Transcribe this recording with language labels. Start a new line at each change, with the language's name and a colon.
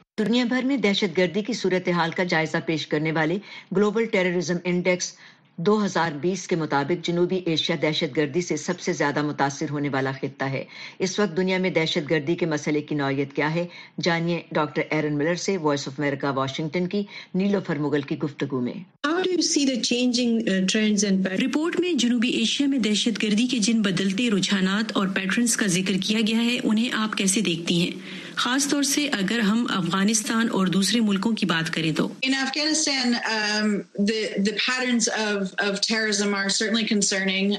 Urdu: دنیا بھر میں دہشت گردی کی صورتحال کا جائزہ پیش کرنے والے گلوبل ٹیررزم انڈیکس 2020 کے مطابق جنوبی ایشیا دہشت گردی سے سب سے زیادہ متاثر ہونے والا خطہ ہے. اس وقت دنیا میں دہشت گردی کے مسئلے کی نوعیت کیا ہے، جانیے ڈاکٹر ایرن ملر سے وائس آف امریکہ واشنگٹن کی نیلوفر مغل کی گفتگو میں.
English: How do you see the changing trends and patterns?
Urdu: Report میں جنوبی ایشیا میں دہشت گردی کے جن بدلتے رجحانات اور پیٹرنز کا ذکر کیا گیا ہے، انہیں آپ کیسے دیکھتی ہیں، خاص طور سے اگر ہم افغانستان اور دوسرے ملکوں کی بات کریں تو؟
English: In Afghanistan, the patterns of of terrorism are certainly concerning.